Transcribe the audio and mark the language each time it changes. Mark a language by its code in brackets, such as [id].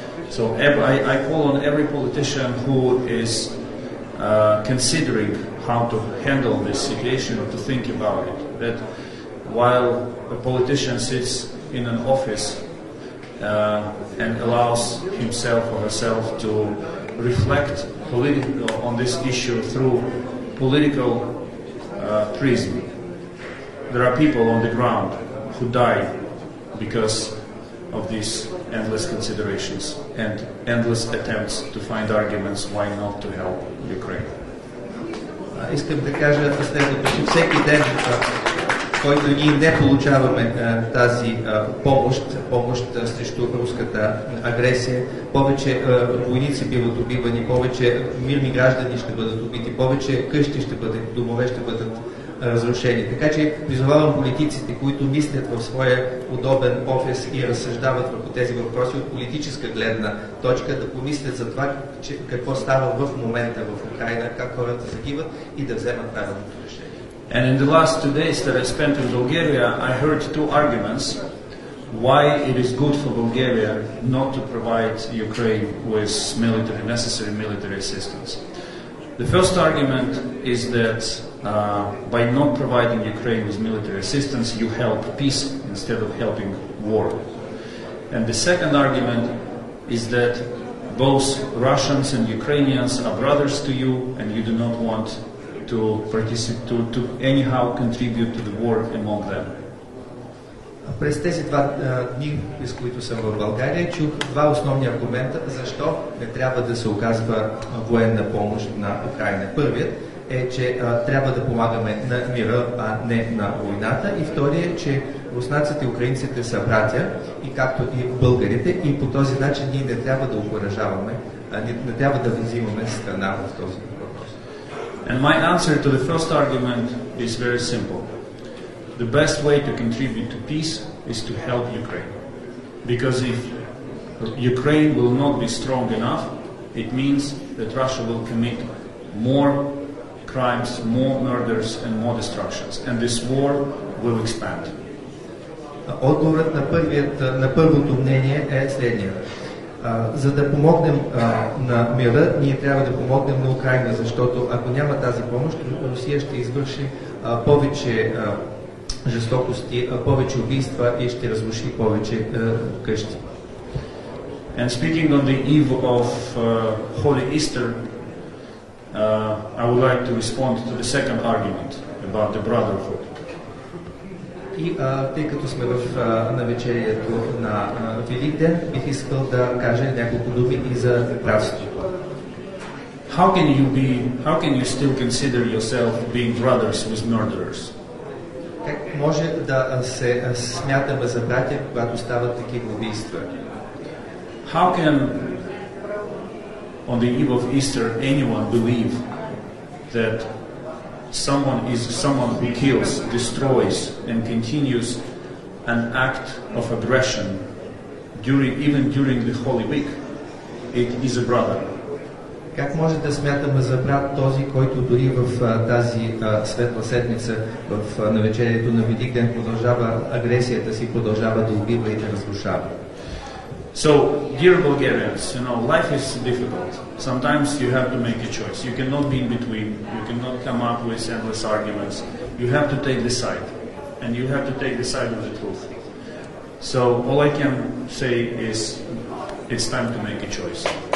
[en] So I call on every politician who is considering how to handle this situation or to think about it, that while a politician sits in an office and allows himself or herself to reflect on this issue through political prism, there are people on the ground who die because of these endless considerations and endless attempts to find arguments why not to help Ukraine. [bg] Искам да кажа следното, че всеки ден, който ние не получаваме тази помощ срещу руската агресия, повече войници биват убивани, повече мирни граждани ще бъдат убити, повече къщи ще бъдат, домове ще бъдат разрушени. Така че призовавам политиците, които мислят в своя удобен офис и разсъждават върху тези въпроси от политическа гледна точка, да помислят за това, че, какво става в момента в Украина, как хората загиват и да вземат правилното решение. [en] And in the last two days that I spent in Bulgaria, I heard two arguments why it is good for Bulgaria not to provide Ukraine with necessary military assistance. The first argument is that by not providing Ukraine with military assistance, you help peace instead of helping war. And the second argument is that both Russians and Ukrainians are brothers to you, and you do not want to participate to anyhow contribute to the war among them. [bg] През тези два дни, през които съм в България, чух два основни аргумента защо не трябва да се оказва военна помощ на Украина. Първият е, че трябва да помагаме на мира, а не на войната. И втория е, че руснаците и украинците са братя, и както и българите, и по този начин ние не трябва да окуражаваме, не трябва да взимаме страна в този въпрос. [en] And my answer to the first argument is very simple. The best way to contribute to peace is to help Ukraine. Because if Ukraine will not be strong enough, it means that Russia will commit more crimes, more murders and more destructions. And this war will expand. [bg] Отговорът на първото мнение е следния. За да помогнем на мира, ние трябва да помогнем на Украина, защото ако няма тази помощ, Русия ще извърши повече жестокости, повече убийства и ще разруши повече къщи. [en] And speaking on the eve of Holy Easter, I would like to respond to the second argument about the brotherhood. [bg] И тъй като сме в навечерието на Великден, бих искал да кажа няколко думи и за братството. [en] How can you still consider yourself being brothers with murderers? [bg] Как може да се смятаме за братя, когато стават такива убийства? [en] How can on the eve of Easter anyone believe that someone who kills, destroys and continues an act of aggression even during the Holy Week, it is a brother? [bg] Как може да смятаме за брат този, който дори в тази светла седмица, в навечерието на Великден, продължава агресията си, продължава да убива и да разрушава? [en] So, dear Bulgarians, you know, life is difficult. Sometimes you have to make a choice. You cannot be in between. You cannot come up with endless arguments. You have to take the side. And you have to take the side of the truth. So, all I can say is, it's time to make a choice.